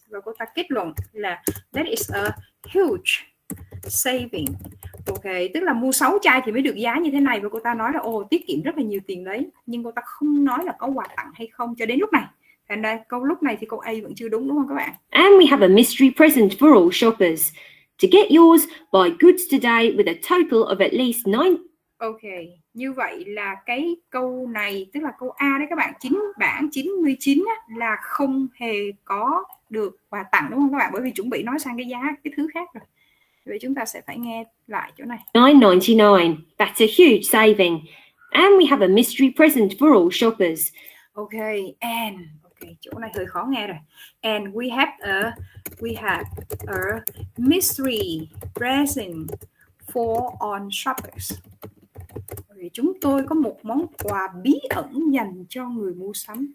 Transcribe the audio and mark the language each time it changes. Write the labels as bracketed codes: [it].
[vi] Và cô ta kết luận là [en] that is a huge saving. [vi] Ok, tức là mua 6 chai thì mới được giá như thế này. Và cô ta nói là ồ, tiết kiệm rất là nhiều tiền đấy. Nhưng cô ta không nói là có quà tặng hay không cho đến lúc này. And đây, câu lúc này thì câu A vẫn chưa đúng, đúng không các bạn? [en] And we have a mystery present for all shoppers. To get yours, buy goods today with a total of at least 9... [vi] Ok, như vậy là cái câu này, tức là câu A đấy các bạn, 9 bảng 99 á, là không hề có được quà tặng, đúng không các bạn? Bởi vì chuẩn bị nói sang cái giá, cái thứ khác rồi. Vậy chúng ta sẽ phải nghe lại chỗ này. [en] 9.99, that's a huge saving. And we have a mystery present for all shoppers. [vi] Ok, and... chỗ này hơi khó nghe rồi. [en] And we have a mystery present for all shoppers. [vi] Okay, chúng tôi có một món quà bí ẩn dành cho người mua sắm.